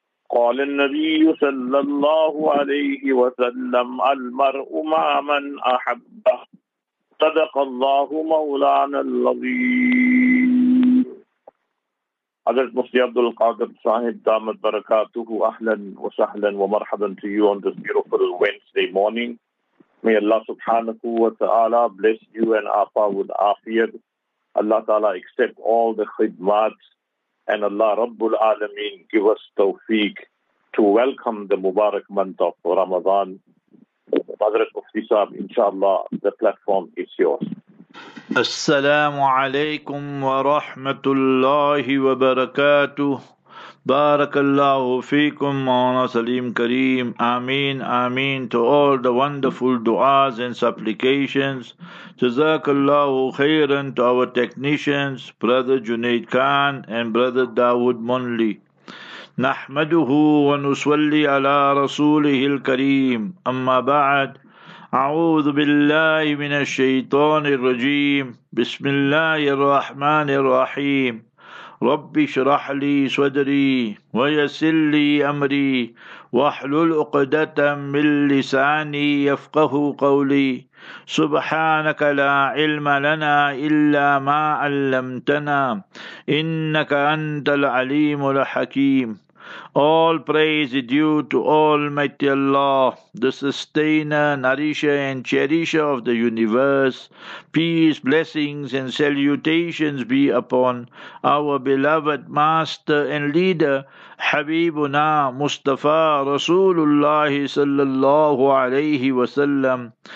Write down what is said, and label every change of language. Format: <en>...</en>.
<ar>قال النبي صلى الله عليه وسلم: المرء ما من أحبه. صدق الله مولانا العظيم. حضرت مفتي عبد القادر صاحب دامت بركاته، أهلا وسهلا ومرحبا</ar> <en>to you on this beautiful Wednesday morning. May Allah subhanahu wa ta'ala bless you and afa with afiyat. Allah ta'ala accept all the khidmat and Allah Rabbul Alameen give us tawfiq to welcome the Mubarak month of Ramadan. Hazrat Mufti Sahib, inshallah, the platform is yours. Assalamu alaikum wa rahmatullahi wa barakatuh. Barakallahu feekum, Maulana Salim Kareem. Ameen, ameen to all the wonderful du'as and supplications. Jazakallahu khairan to our technicians, Brother Junaid Khan and Brother Dawood Monley.</en> <ar>نحمده ونصلي على رسوله الكريم أما بعد أعوذ بالله من الشيطان الرجيم بسم الله الرحمن الرحيم رب اشرح لي صدري ويسر لي أمري واحلل عقدة من لساني يفقه قولي سبحانك لا علم لنا إلا ما علمتنا إنك أنت العليم الحكيم.</ar> <en>All praise is due to Almighty Allah, the sustainer, nourisher and cherisher of the universe. Peace, blessings and salutations be upon our beloved master and leader, Habibuna Mustafa Rasulullah sallallahu alayhi wa sallam.</en>